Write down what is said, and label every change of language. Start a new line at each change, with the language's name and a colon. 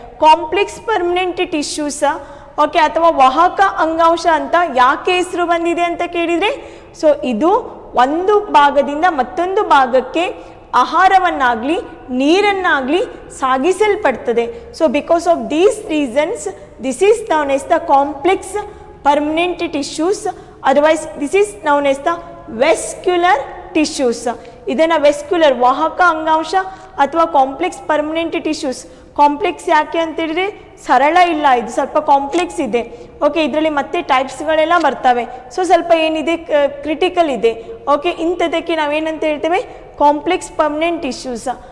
Kannada: Complex permanent tissues, okay, ಅಥವಾ ವಾಹಕ ಅಂಗಾಂಶ ಅಂತ ಯಾಕೆ ಹೆಸರು ಬಂದಿದೆ ಅಂತ ಕೇಳಿದರೆ, ಸೊ ಇದು ಒಂದು ಭಾಗದಿಂದ ಮತ್ತೊಂದು ಭಾಗಕ್ಕೆ ಆಹಾರವನ್ನಾಗಲಿ ನೀರನ್ನಾಗಲಿ ಸಾಗಿಸಲ್ಪಡ್ತದೆ.
English: So because of these reasons this is known as the complex permanent tissues. otherwise this is known as the vascular tissues.
Kannada: ಇದನ್ನ ವೆಸ್ಕ್ಯುಲರ್ ವಾಹಕ ಅಂಗಾಂಶ ಅಥವಾ ಕಾಂಪ್ಲೆಕ್ಸ್ ಪರ್ಮನೆಂಟ್ ಟಿಶ್ಯೂಸ್. ಕಾಂಪ್ಲೆಕ್ಸ್ ಯಾಕೆ ಅಂತೇಳಿದ್ರೆ ಸರಳ ಇಲ್ಲ, ಇದು ಸ್ವಲ್ಪ ಕಾಂಪ್ಲೆಕ್ಸ್ ಇದೆ. ಓಕೆ, ಇದರಲ್ಲಿ ಮತ್ತೆ ಟೈಪ್ಸ್ಗಳೆಲ್ಲ ಬರ್ತವೆ, ಸೊ ಸ್ವಲ್ಪ ಏನಿದೆ ಕ್ರಿಟಿಕಲ್ ಇದೆ. ಓಕೆ, ಇಂಥದಕ್ಕೆ ನಾವೇನಂತ ಹೇಳ್ತೇವೆ, ಕಾಂಪ್ಲೆಕ್ಸ್ ಪರ್ಮನೆಂಟ್ ಟಿಶ್ಯೂಸ್.